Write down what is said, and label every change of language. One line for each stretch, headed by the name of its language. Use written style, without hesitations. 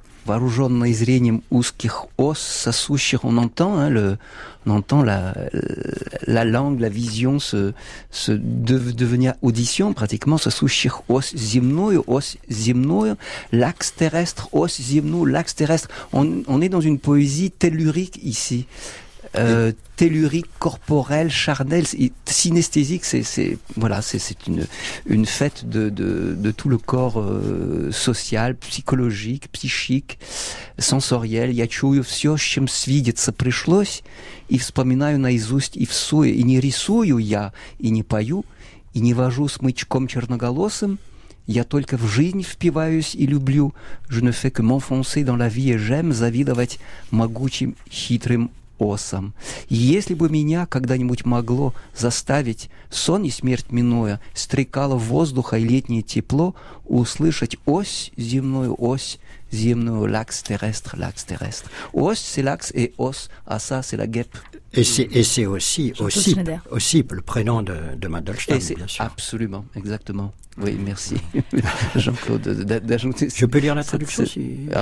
Russian: «Varujonne izrinim uskich os»,
French: ça souche, on entend, hein, on entend la langue, la vision devenir audition, pratiquement, ça souche,
Russian: os zimnoy,
French: l'axe terrestre, os zimnoy, l'axe terrestre. On est dans une poésie tellurique ici. tellurique, corporelle, charnelle, synesthésique. C'est une fête de tout le corps social, psychologique, psychique, sensoriel.
Russian: Я чую все, с чем свидеться пришлось, и вспоминаю наизусть и всю, и не рисую я, и не пою, и не вожу смычком черноголосым. Я только в жизнь впиваюсь и люблю.
French: Je ne fais que m'enfoncer dans la vie et j'aime
Russian: завидовать могучим хитрым осам. И если бы меня когда-нибудь могло заставить сон и смерть минуя, стрекало воздуха и летнее тепло, услышать ось, земную,
French: l'axe terrestre. Ос, c'est l'axe, et ос, а ça, c'est la guêpe. Et c'est aussi, aussi le prénom de Mandelstam, bien sûr. Absolument, exactement. Oui, merci, Jean-Claude. Je peux lire la traduction aussi.